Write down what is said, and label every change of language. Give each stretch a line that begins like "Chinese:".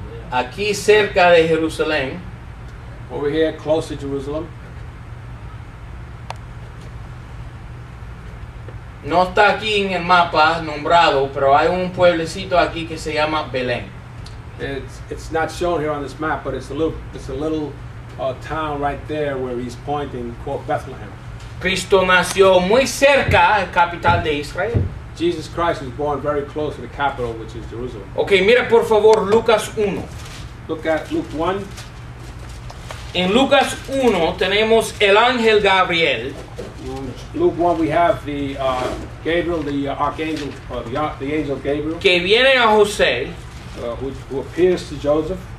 Spanish: Aquí cerca de Jerusalén.
English: Over here, close to Jerusalem.
Spanish: No está aquí en el mapa nombrado, pero hay un pueblecito aquí que se llama Belén.
English: It's not shown here on this map, but it's a little town right there where he's pointing, called Bethlehem.
Spanish: Cristo nació muy cerca al capital de Israel.
English: Jesus Christ was born very close to the capital, which is Jerusalem.
Spanish: Okay, mira por favor Lucas 1.
English: Look at Luke 1.
Spanish: En Lucas 1 tenemos el ángel Gabriel.
English: Luke 1, we have the Gabriel, the archangel, the angel Gabriel.
Spanish: Que viene a José.
English: Who appears to Joseph.